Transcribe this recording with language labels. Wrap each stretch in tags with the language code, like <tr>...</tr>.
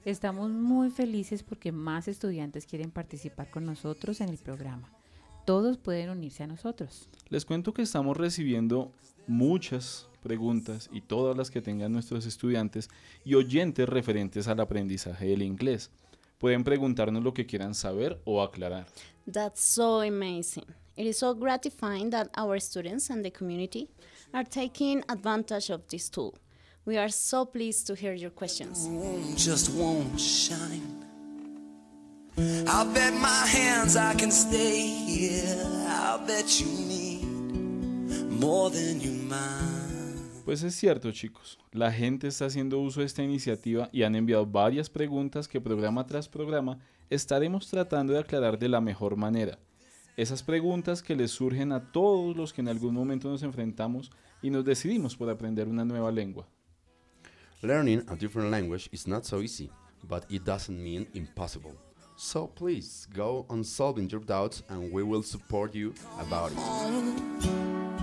<es>Estamos muy felices porque más estudiantes quieren participar con nosotros en el programa. Todos pueden unirse a nosotros. Les cuento que estamos recibiendo muchas preguntas y todas las que tengan nuestros estudiantes y oyentes referentes al aprendizaje del inglés. Pueden preguntarnos lo que quieran saber o aclarar.</es> <en>That's so amazing. It is so gratifying that our students and the community are taking advantage of this tool. We are so pleased to hear your questions. Just won't shine. I'll bet my hands I can stay here. I'll bet you need more than you mind.</en> <es>Pues es cierto, chicos, la gente está haciendo uso de esta iniciativa y han enviado varias preguntas que programa tras programa estaremos tratando de aclarar de la mejor manera. Esas preguntas que les surgen a todos los que en algún momento nos enfrentamos y nos decidimos por aprender una nueva lengua.</es> <en>Learning a different language is not so easy, but it doesn't mean impossible. So please go on solving your doubts and we will support you about it.</en>